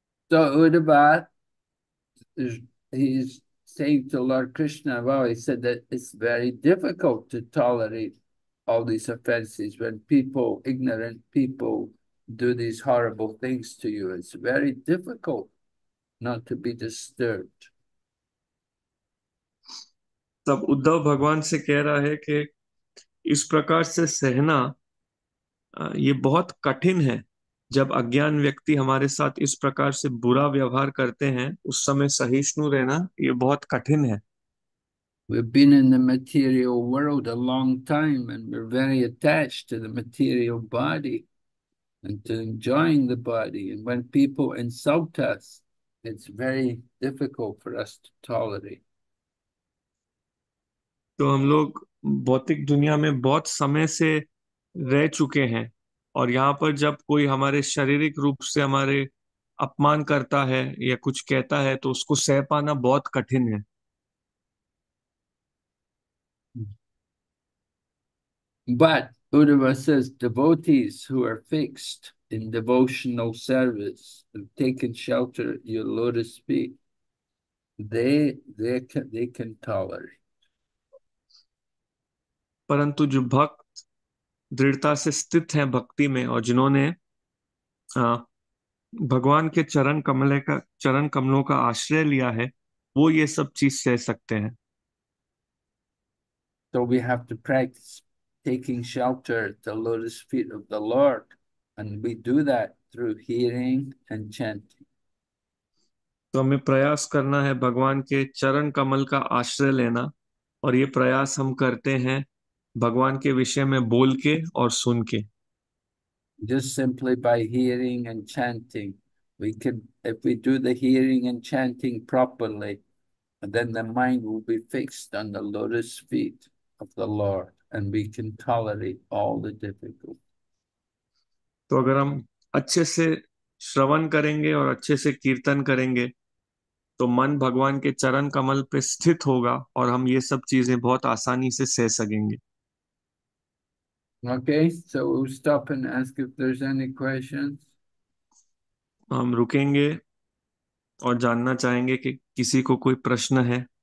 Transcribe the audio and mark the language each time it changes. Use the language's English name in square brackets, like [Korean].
[English] So Uddhava, he's saying to Lord Krishna, well, he said that it's very difficult to tolerate all these offenses when people, ignorant people, do these horrible things to you. It's very difficult not to be disturbed. [Hindi] तब उद्धव भगवान से कह रहा है कि इस प्रकार से सहना ये बहुत कठिन है। जब अज्ञान व्यक्ति हमारे साथ इस प्रकार से बुरा व्यवहार करते हैं, उस समय सहिष्णु रहना ये बहुत कठिन है। [English] We've been in the material world a long time and we're very attached to the material body and to enjoying the body. And when people insult us, it's very difficult for us to tolerate. [Hindi] तो हम लोग भौतिक दुनिया में बहुत समय से रह चुके हैं और यहाँ पर जब कोई हमारे शारीरिक रूप से हमारे अपमान करता है या कुछ कहता है तो उसको सह पाना बहुत कठिन है। [English] But Uddhava says devotees who are fixed in devotional service, have taken shelter at your lotus feet, they can tolerate. [Hindi] परंतु जो भक्त दृढ़ता से स्थित हैं भक्ति में और जिन्होंने भगवान के चरण कमलों का आश्रय लिया है, वो ये सब चीज सह सकते हैं। [English] So we have to practice taking shelter at the lotus feet of the Lord, and we do that through hearing and chanting. [Hindi] तो हमें प्रयास करना है भगवान के चरण कमल का आश्रय लेना और ये प्रयास हम करते हैं भगवान के विषय में बोल के और सुन के। [English] Just simply by hearing and chanting, we can, if we do the hearing and chanting properly, then the mind will be fixed on the lotus feet of the Lord. And we can tolerate all the difficulties. [Hindi] तो अगर हम अच्छे से श्रवण करेंगे और अच्छे से कीर्तन करेंगे तो मन भगवान के चरण कमल पे स्थित होगा और हम ये सब चीजें बहुत आसानी से सह सकेंगे। [English] Okay, so we'll stop and ask if there's any questions. [Hindi] हम रुकेंगे और जानना चाहेंगे कि किसी को कोई प्रश्न है।